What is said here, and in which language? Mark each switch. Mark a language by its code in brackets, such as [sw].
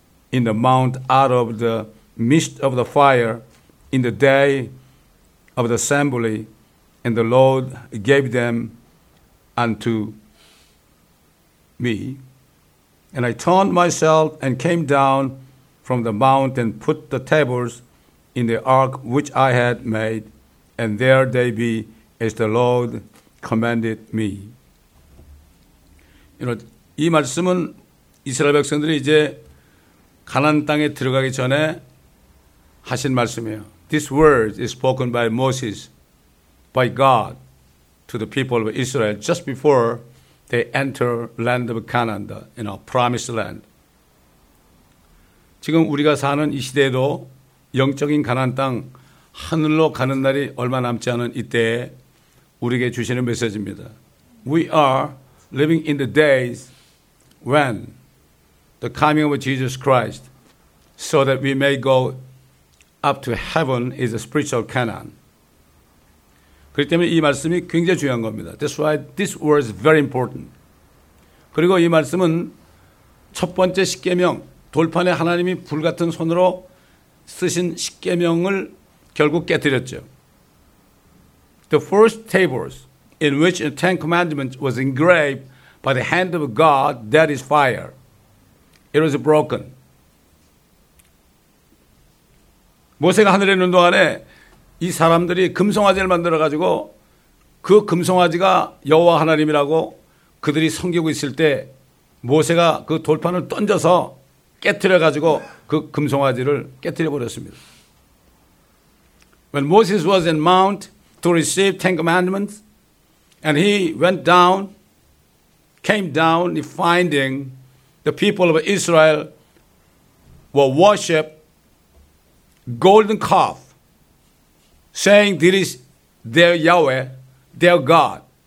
[en] in the mount out of the midst of the fire in the day of the assembly, and the Lord gave them unto me. And I turned myself and came down from the mount and put the tables in the ark which I had made, and there they be as the Lord commanded me. You know, [ko] 이 말씀은 이스라엘 백성들이 이제 가나안 땅에 들어가기 전에 하신 말씀이에요. [en] This word is spoken by Moses, by God, to the people of Israel just before they enter land of Canaan, the, you know, promised land. [ko] 지금 우리가 사는 이 시대에도 영적인 가나안 땅 하늘로 가는 날이 얼마 남지 않은 이때에 우리에게 주시는 메시지입니다. [en] We are living in the days when the coming of Jesus Christ so that we may go up to heaven is a spiritual Canaan. [ko] 그렇기 때문에 이 말씀이 굉장히 중요한 겁니다. [en] That's why this word is very important. [ko] 그리고 이 말씀은 첫 번째 십계명 돌판에 하나님이 불같은 손으로 쓰신 십계명을 결국 깨뜨렸죠. [en] The first tables in which the Ten Commandments was engraved by the hand of God, that is fire. It was broken. [ko] 모세가 하늘에 있는 동안에 이 사람들이 금송아지를 만들어가지고 그 금송아지가 여호와 하나님이라고 그들이 섬기고 있을 때 모세가 그 돌판을 던져서 깨뜨려가지고 그 금송아지를 깨뜨려버렸습니다. [en] When Moses was in Mount to receive Ten Commandments, and he went down, came down, finding the people of Israel were worship golden calf, saying, "This is their Yahweh, their God."